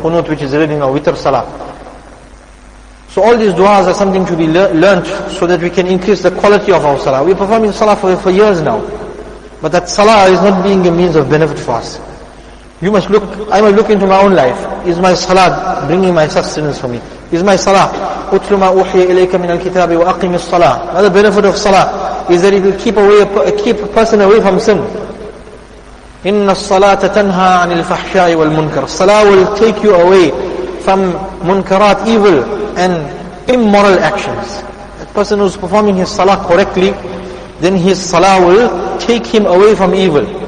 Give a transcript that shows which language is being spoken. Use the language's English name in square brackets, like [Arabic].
[English] Qunut, which is reading a witr salah. So all these du'as are something to be learnt so that we can increase the quality of our salah. We're performing salah for years now. But that salah is not being a means of benefit for us. You must look, I must look into my own life. Is my salah bringing my sustenance for me? Is my salah, [Arabic] أُتْلُ مَا أُوحِيَ إِلَيْكَ مِنَ الْكِتَابِ وَأَقِمِ الصَّلَاةِ. [English] Another benefit of salah is that it will keep a person away from sin. [Arabic] إِنَّ الصَّلَاةَ تَنْهَى عَنِ الْفَحْشَاءِ وَالْمُنْكَرِ. [English] Salah will take you away from munkarat, evil and immoral actions. A person who's performing his salah correctly, then his salah will take him away from evil.